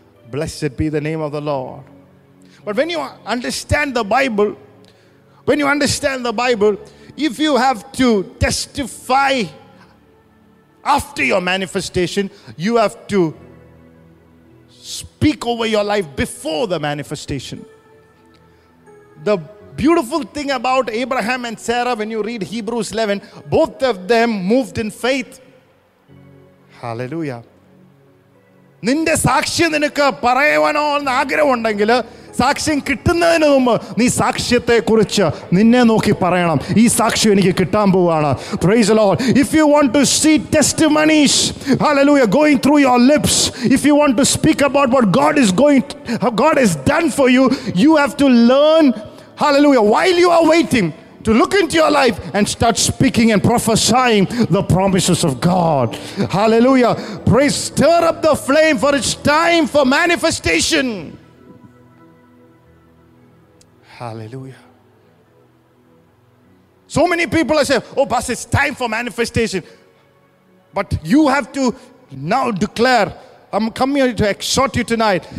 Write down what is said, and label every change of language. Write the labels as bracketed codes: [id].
[en] Blessed be the name of the Lord. But when you understand the Bible, when you understand the Bible, if you have to testify after your manifestation, you have to speak over your life before the manifestation. The beautiful thing about Abraham and Sarah, when you read Hebrews 11, both of them moved in faith. Hallelujah. [ml] നിന്റെ സാക്ഷ്യം നിനക്ക് പറയുവാനോ എന്ന് ആഗ്രഹമുണ്ടെങ്കിൽ സാക്ഷ്യം കിട്ടുന്നതിന് മുമ്പ് നീ സാക്ഷ്യത്തെ കുറിച്ച് നിന്നെ നോക്കി പറയണം, ഈ സാക്ഷ്യം എനിക്ക് കിട്ടാൻ പോവുകയാണ്. [en] Praise the Lord. If you want to see testimonies, hallelujah, going through your lips, if you want to speak about what God is going God is done for you, you have to learn, hallelujah, while you are waiting to look into your life and start speaking and prophesying the promises of God. Hallelujah. Praise, stir up the flame, for it's time for manifestation. Hallelujah. So many people are saying, oh, Pastor, it's time for manifestation. But you have to now declare, I'm coming here to exhort you tonight.